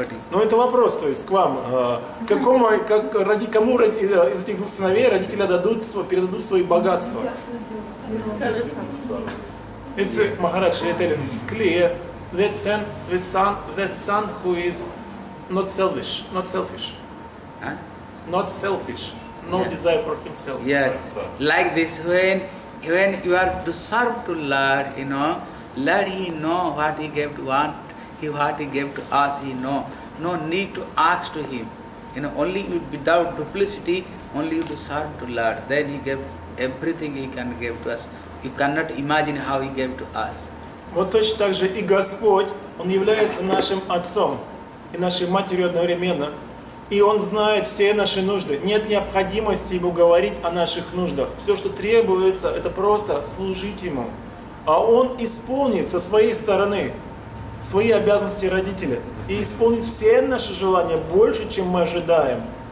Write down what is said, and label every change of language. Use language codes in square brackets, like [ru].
[ru] Ну это вопрос, то есть к вам. Кому из этих двух сыновей родители передадут свои богатства? [en] It's Maharaj, it's clear that son who is not selfish. Huh? Not selfish. No, yes. Desire for himself. Yes. Like this, when when you are to serve to Lord, you know, Lord, He know what He gave to want, He what He gave to us, He know. No need to ask to Him. You know, only you, without duplicity, only you to serve to Lord. Then He gave everything He can give to us. You cannot imagine how He gave to us. [ru] Вот точно так же и Господь, Он является нашим Отцом и нашей Матерью одновременно. И Он знает все наши нужды. Нет необходимости Ему говорить о наших нуждах. Все, что требуется, это просто служить Ему. А Он исполнит со своей стороны свои обязанности родителя и исполнит все наши желания больше, чем мы ожидаем.